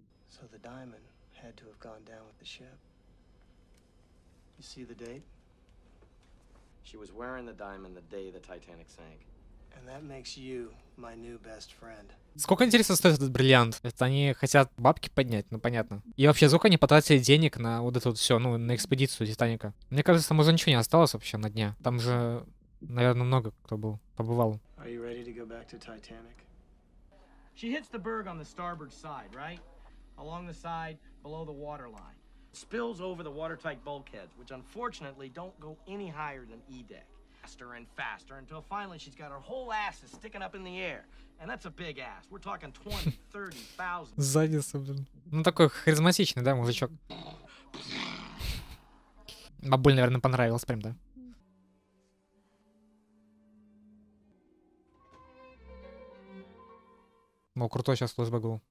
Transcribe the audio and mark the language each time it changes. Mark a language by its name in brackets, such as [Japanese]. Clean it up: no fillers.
[English] So the diamond had to have gone down with the ship. You see the date? She was wearing the diamond the day the Titanic sank. And that makes you my new best friend. [Russian] Сколько, интересно, стоит этот бриллиант? Это они хотят бабки поднять, ну понятно. И вообще, сколько они потратили денег на вот это вот все, ну, на экспедицию Титаника? Мне кажется, там уже ничего не осталось вообще на дне. Там же Наверное, много кто был, побывал. [English] Are you ready to go back to Titanic? She hits the berg on the starboard side, right? Along the side, below the waterline. Spills over the watertight bulkheads, which unfortunately don't go any higher than E-deck. Faster and faster, until finally she's got her whole ass is sticking up in the air. And that's a big ass. We're talking 20,000-30,000. [Russian] Задница, блин. Ну такой харизматичный, да, мужичок? Бабуль, наверное, понравилось прям, да? О, крутой сейчас служба был.